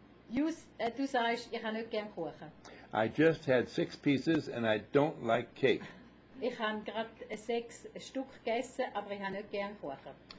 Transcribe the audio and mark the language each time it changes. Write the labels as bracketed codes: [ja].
[de] Du sagst, ich habe nicht gern Kuchen. [en] I just had 6 pieces and I don't like cake. [gsw] Ich han grad 6 Stück gegessen, aber ich han nöd gern Kuchen.